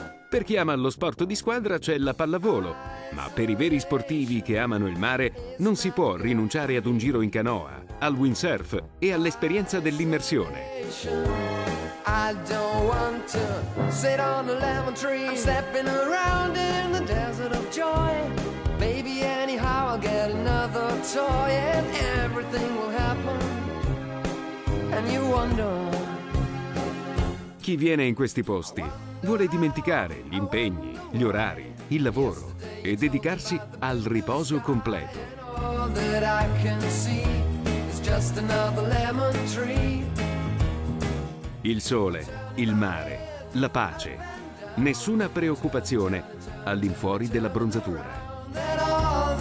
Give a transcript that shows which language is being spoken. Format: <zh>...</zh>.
<it>Per chi ama lo sport di squadra c'è la pallavolo, ma per i veri sportivi che amano il mare non si può rinunciare ad un giro in canoa, al windsurf e all'esperienza dell'immersione.</it> <en>I don't want to sit on a lemon tree. I'm stepping around in the desert of joy. Maybe anyhow I'll get another toy. And everything will happen. And you wonder.</en> <it>Chi viene in questi posti vuole dimenticare gli impegni, gli orari, il lavoro e dedicarsi al riposo completo.</it> <en>All that I can see is just another lemon tree.</en> <it>Il sole, il mare, la pace. Nessuna preoccupazione all'infuori dell'abbronzatura.</it>